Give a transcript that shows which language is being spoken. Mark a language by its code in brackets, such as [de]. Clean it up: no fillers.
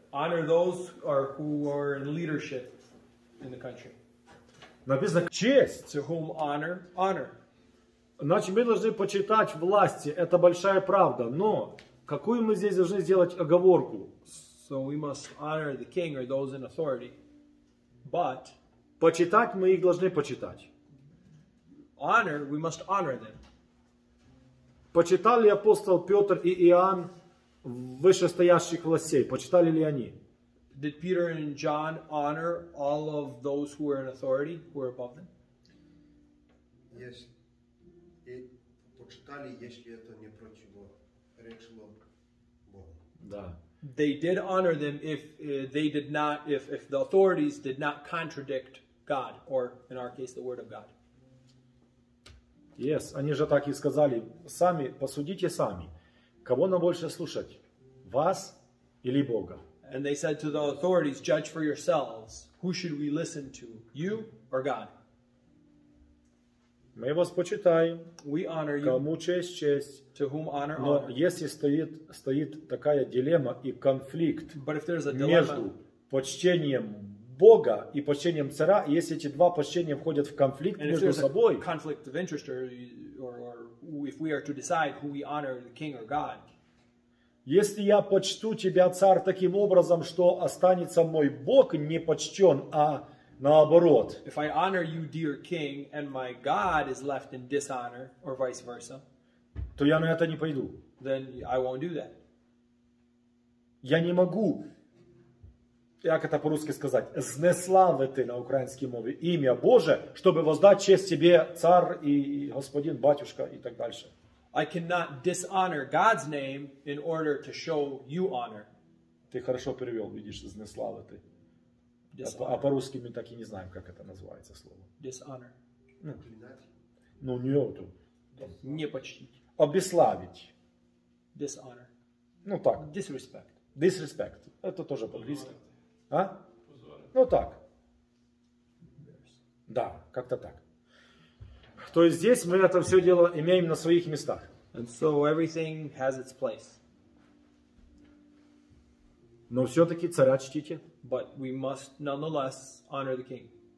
[en] Honor those who are in leadership. in the country. [ru] Написано честь. [en] To whom honor, honor. [ru] Значит, мы должны почитать власти. Это большая правда. Но какую мы здесь должны сделать оговорку? [en] So we must honor the king or those in authority. But [ru] почитать мы их должны почитать. [en] Honor, we must honor them. [ru] Почитал ли апостол Петр и Иоанн вышестоящих властей? Почитали ли они? [en] Did Peter and John honor all of those who were in authority, who were above them? Yes. [ru] И почитали, если это не противоречило Богу. Да. [en] They did honor them if the authorities did not contradict God, or in our case, the word of God. [ru] Yes, они же так и сказали. Сами, посудите сами. Кого нам больше слушать? Вас или Бога? [en] And they said to the authorities, judge for yourselves. Who should we listen to? You or God? [ru] Мы вас почитаем. [en] We honor [ru] you. Кому честь, честь. [en] To whom honor, но honor. [ru] Если стоит такая дилемма и конфликт между почтением Бога и почтением царя, если эти два почтения входят в конфликт [en] and [ru] между собой, [en] conflict of interest or if we are to decide who we honor, the king or God. [ru] Если я почту тебя, царь, таким образом, что останется мой Бог не почтен, а наоборот. [en] If I honor you, dear king, and my God is left in dishonor, or vice versa, [ru] то я на это не пойду. [en] Then I won't do that. [ru] Я не могу, как это по-русски сказать, знеславити на украинской мове имя Божие, чтобы воздать честь тебе, царь и господин, батюшка и так дальше. [en] I cannot dishonor God's name in order to show you honor. [ru] Ты хорошо перевел, видишь, знеславити. А по-русски мы так и не знаем, как это называется слово. [en] Dishonor. [ru] Ну, не эту. Не почтить. Обесславить. [en] Dishonor. [ru] Ну, так. [en] Disrespect. [ru] Disrespect. Это тоже по-английски. А? Ну, так. Да, как-то так. То есть здесь мы это все дело имеем на своих местах. [en] And so everything has its place. [ru] Но все-таки царя чтите. [en] But we must nonetheless honor the king.